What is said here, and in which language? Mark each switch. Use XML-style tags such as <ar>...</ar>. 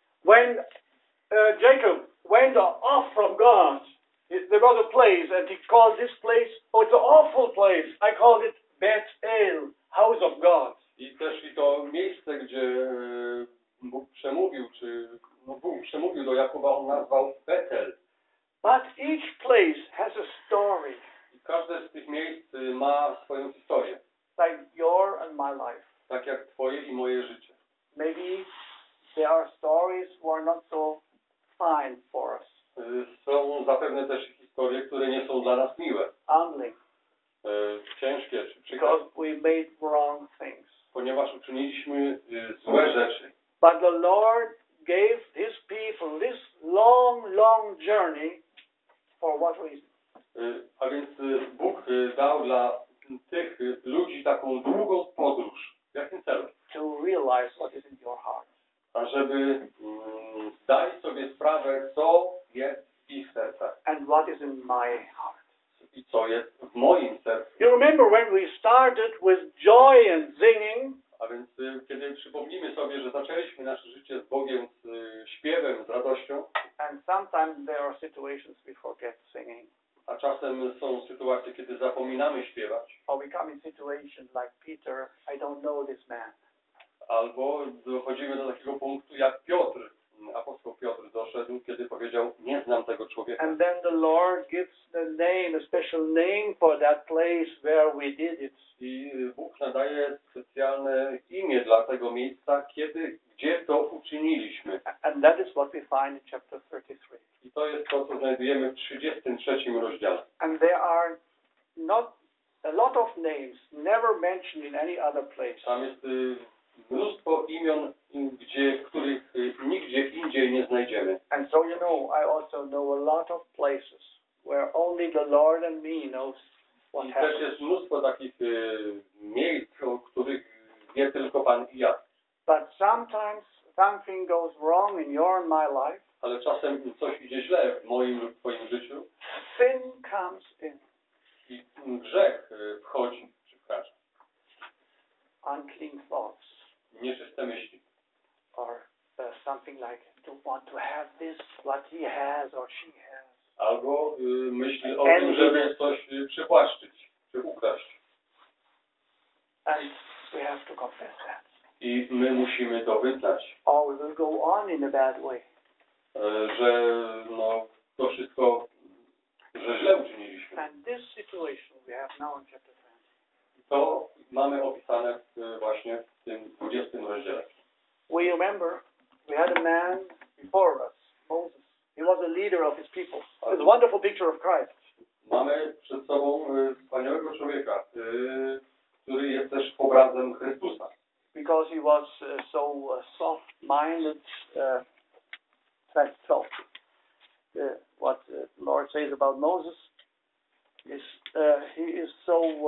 <en>When Jacob went off from God, there was a place, and he called this place, oh, it's an awful place, I called it Beth-El, house of God.</en> <pl>I też i to miejsce, gdzie Bóg przemówił, czy no Bóg przemówił do Jakuba, on nazwał Betel.</pl> <en>But each place has a story.</en> <pl>I każde z tych miejsc ma swoją historię.</pl> <en>Like your and my life.</en> <pl>Tak jak twoje i moje życie.</pl> <en>Maybe there are stories who are not so fine for us.</en> <pl>Są zapewne też historie, które nie są dla nas miłe.</pl> <en>Only.</en> <pl>Ciężkie. Czy</pl> <en>because we made wrong things.</en> <pl>Ponieważ uczyniliśmy złe rzeczy.</pl> <en>But the Lord gave his people this long, long journey for what reason?</en> <pl>A więc Bóg dał dla tych ludzi taką długą podróż. W jakim celu?</pl> <en>To realize what is in your heart.</en> <pl>A żeby zdać sobie sprawę, co jest w ich sercach.</pl> <en>And what is in my heart.</en> <pl>I co jest w moim sercu.</pl> <en>You remember when we started with joy and singing?</en> <pl>A więc, kiedy przypomnimy sobie, że zaczęliśmy nasze życie z Bogiem, z śpiewem, z radością.</pl> <en>And sometimes there are situations we forget singing.</en> <pl>A czasem są sytuacje, kiedy zapominamy śpiewać.</pl> <en>Or we come in situations like Peter, I don't know this man.</en> <pl>Albo dochodzimy do takiego punktu, jak Piotr, apostoł Piotr doszedł, kiedy powiedział, nie znam tego człowieka.</pl> <en>And then the Lord gives the name, a special name for that place where we did it.</en> <pl>I Bóg nadaje specjalne imię dla tego miejsca, kiedy, gdzie to uczyniliśmy.</pl> <en>And that is what we find in chapter 33.</en> <pl>I to jest to, co znajdujemy w 33 rozdziale.</pl> <en>And there are not a lot of names never mentioned in any other place.</en> <pl>Tam jest mnóstwo imion, gdzie, których nigdzie indziej nie znajdziemy.</pl> <en>And so you know, I also know a lot of places where only the Lord and me knows what happens.</en> <pl>I też jest mnóstwo takich miejsc, o których wie tylko Pan i ja.</pl> <en>But sometimes something goes wrong in your and my life.</en> <pl>Ale czasem coś idzie źle w moim lub Twoim życiu.</pl> <en>Sin comes in.</en> <pl>I grzech wchodzi, przepraszam.</pl> <en>Unclean thoughts.</en> <pl>Nieczyste myśli.</pl> <en>Or something like to want to have this, what he has or she has.</en> <pl>Albo myśli o tym, żeby coś przypłaszczyć, czy ukraść.</pl> <en>And we have to confess that.</en> <pl>I my musimy to wyznać.</pl> <en>Or we will go on in a bad way.</en> <pl>Że no, to wszystko, że źle uczyniliśmy.</pl> <en>And this situation we have now in chapter 20.</en> <pl>To mamy opisane właśnie w tym 20 rozdziale.</pl> <en>We remember we had a man before us, Moses. He was a leader of his people. It's a wonderful picture of Christ.</en> <pl>Mamy przed sobą wspaniałego człowieka, który jest też obrazem Chrystusa.</pl> <en>Because he was so soft-minded, that's soft. What the Lord says about Moses is he is so</en>